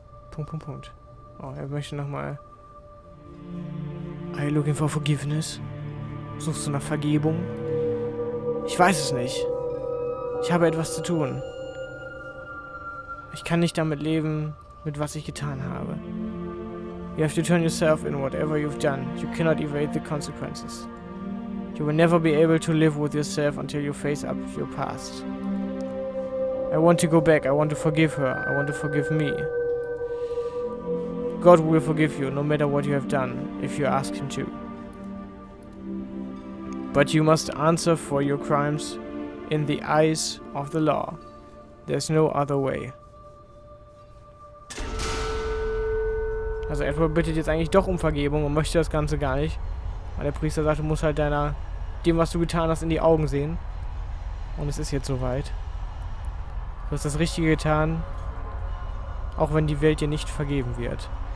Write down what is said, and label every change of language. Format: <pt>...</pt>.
<de>Punkt, Punkt, Punkt. Oh, er möchte nochmal.</de> <en>Are you looking for forgiveness?</en> <de>Suchst du nach Vergebung? Ich weiß es nicht. Ich habe etwas zu tun. Ich kann nicht damit leben, mit was ich getan habe.</de> <en>You have to turn yourself in whatever you've done. You cannot evade the consequences. You will never be able to live with yourself until you face up to your past. I want to go back. I want to forgive her. I want to forgive me. God will forgive you, no matter what you have done, if you ask him to. But you must answer for your crimes in the eyes of the law. There's no other way.</en> <de>Also Edward bittet jetzt eigentlich doch um Vergebung und möchte das Ganze gar nicht. Weil der Priester sagt, du musst halt dem, was du getan hast, in die Augen sehen. Und es ist jetzt soweit. Du hast das Richtige getan, auch wenn die Welt dir nicht vergeben wird.</de>